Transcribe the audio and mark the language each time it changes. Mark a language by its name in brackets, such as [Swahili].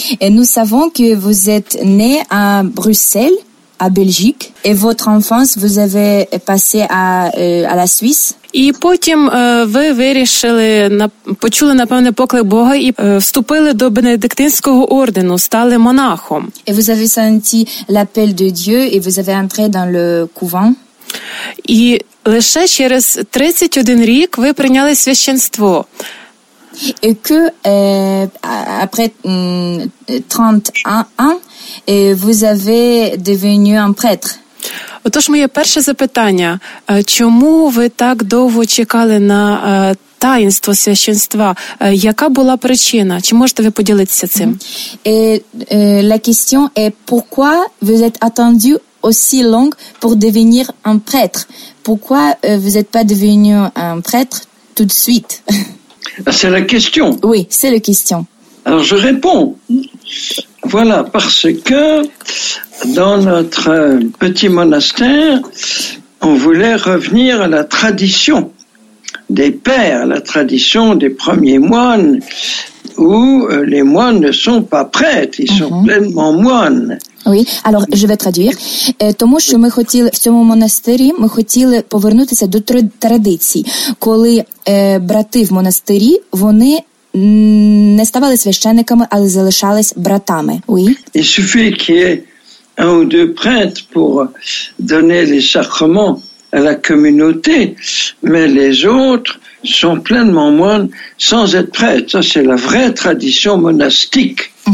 [French] Et nous savons que vous êtes né à Bruxelles, à Belgique, et votre enfance, vous avez passé à la Suisse. [Ukrainian] І потім ви вирішили, почули, напевне, поклик Бога і вступили до бенедиктинського ордену, стали монахом. І ви [French] avez senti l'appel de Dieu et vous avez entré dans le couvent. [Ukrainian] І лише через 31 рік ви прийняли священство. [French] Et que après 31 et vous avez devenu un prêtre. [Ukrainian] Отож, моє перше запитання. Чому ви так довго чекали на таїнство священства? Яка була причина? Чи можете ви поділитися цим? [French] La question est pourquoi vous êtes attendu aussi long pour devenir un prêtre? Pourquoi vous êtes pas devenu un prêtre tout de suite? C'est la question. Oui, c'est la question. Alors je réponds. Voilà, parce que dans notre petit monastère, on voulait revenir à la tradition des pères, la tradition des premiers moines, où les moines ne sont pas prêtres, ils sont pleinement moines. Oui, alors je vais traduire. [Ukrainian] Тому що ми хотіли в цьому монастирі, ми хотіли повернутися до традиції, коли брати в монастирі, вони не ставали священниками, але залишались братами. [French] Oui. Il suffit qu'il y ait un ou deux prêtres pour donner les sacrements à la communauté, mais les autres sont pleinement moines sans être prêtres. Ça, c'est la vraie tradition monastique.